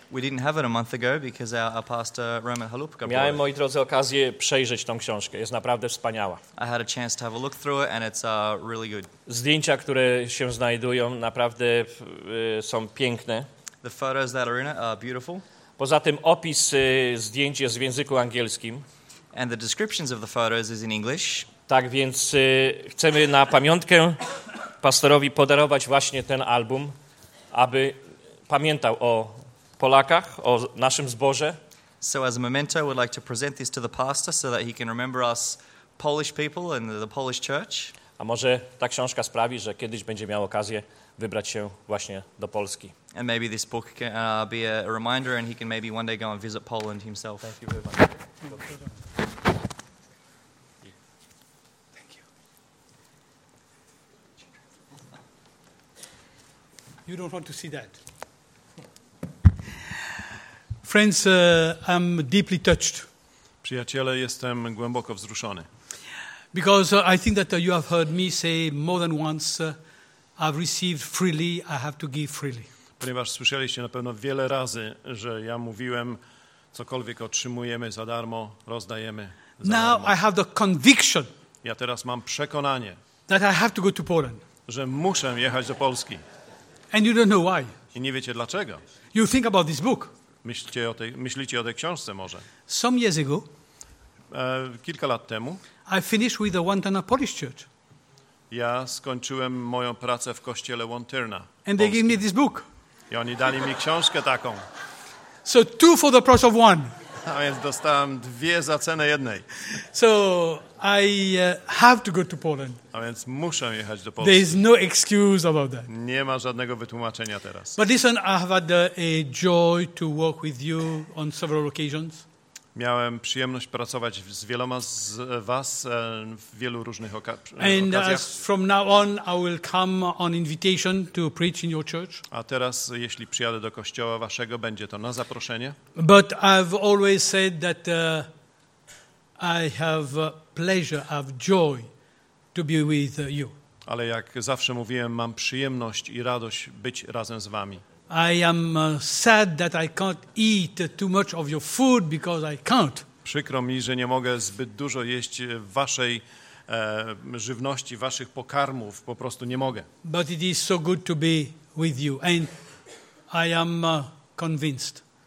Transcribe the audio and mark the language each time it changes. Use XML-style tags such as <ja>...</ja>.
<en>We didn't have it a month ago because our pastor Roman Chalupka.</en> <pl>Miałem, moi drodzy, okazję przejrzeć tą książkę. Jest naprawdę wspaniała.</pl> <en>I had a chance to have a look through it and it's really good.</en> <pl>Zdjęcia, które się znajdują, naprawdę są piękne.</pl> <en>The photos that are in it are beautiful.</en> <pl>Poza tym opis zdjęć jest w języku angielskim.</pl> <en>And the descriptions of the photos is in English.</en> <pl>Tak więc chcemy na pamiątkę pastorowi podarować właśnie ten album, aby pamiętał o Polakach, o naszym zborze.</pl> <en>So as a memento, we'd like to present this to the pastor so that he can remember us Polish people and the Polish church.</en> <pl>A może ta książka sprawi, że kiedyś będzie miał okazję wybrać się właśnie do Polski.</pl> <en>And maybe this book can be a reminder and he can maybe one day go and visit Poland himself. Thank you very much. You don't want to see that. Friends, I'm deeply touched.</en> <pl>Przyjaciele, jestem głęboko wzruszony.</pl> <en>Because I think that you have heard me say more than once, I've received freely, I have to give freely.</en> <pl>Ponieważ słyszeliście na pewno wiele razy, że ja mówiłem, cokolwiek otrzymujemy za darmo, rozdajemy za</pl> <en>Now</en> <pl>darmo.</pl> <en>I have the conviction.</en> <pl>Ja teraz mam przekonanie.</pl> <en>That I have to go to Poland.</en> <pl>Że muszę jechać do Polski.</pl> <en>And you don't know why.</en> <pl>I nie wiecie dlaczego.</pl> <en>You think about this book.</en> <pl>Myślicie o tej książce może.</pl> <en>Some years ago.</en> <pl>Kilka lat temu.</pl> <en>I finished with the Łantana Polish Church.</en> <pl>Ja skończyłem moją pracę w kościele Łantyrna.</pl> <en>And they gave me this book.</en> <pl>I oni dali mi książkę taką.</pl> <en>So two for the price of one.</en> <pl>A więc dostałem dwie za cenę jednej.</pl> <en>So I have to go to Poland.</en> <pl>A więc muszę jechać do Polski.</pl> <en>There is no excuse about that.</en> <pl>Nie ma żadnego wytłumaczenia teraz.</pl> <en>But listen, I have had a joy to work with you on several occasions.</en> <pl>Miałem przyjemność pracować z wieloma z was w wielu różnych okazjach.</pl> <en>And as from now on, I will come on invitation to preach in your church.</en> <pl>A teraz, jeśli przyjadę do kościoła waszego, będzie to na zaproszenie.</pl> <en>But I've always said that I have pleasure, I have joy to be with you.</en> <pl>Ale jak zawsze mówiłem, mam przyjemność i radość być razem z wami.</pl> <en>I am sad that I can't eat too much of your food because I can't.</en> <pl>Przykro mi, że nie mogę zbyt dużo jeść waszej żywności, waszych pokarmów, po prostu nie mogę.</pl> <en>But it is so good to be with you and I am convinced.</en>